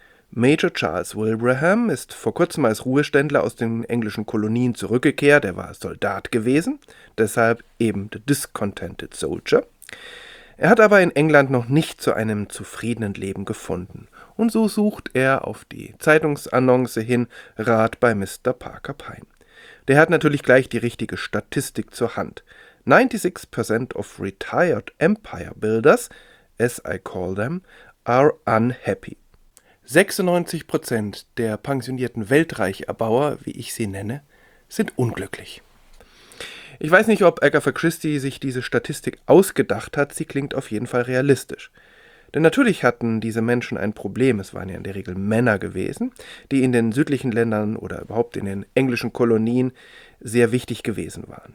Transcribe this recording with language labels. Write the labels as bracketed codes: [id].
[de] Major Charles Wilbraham ist vor kurzem als Ruheständler aus den englischen Kolonien zurückgekehrt, er war Soldat gewesen, deshalb eben the Discontented Soldier. Er hat aber in England noch nicht zu einem zufriedenen Leben gefunden und so sucht er auf die Zeitungsannonce hin Rat bei Mr. Parker Pine. Der hat natürlich gleich die richtige Statistik zur Hand. [en] 96% of retired empire builders, as I call them, are unhappy. [de] 96% der pensionierten Weltreicherbauer, wie ich sie nenne, sind unglücklich. Ich weiß nicht, ob Agatha Christie sich diese Statistik ausgedacht hat, sie klingt auf jeden Fall realistisch. Denn natürlich hatten diese Menschen ein Problem, es waren ja in der Regel Männer gewesen, die in den südlichen Ländern oder überhaupt in den englischen Kolonien sehr wichtig gewesen waren.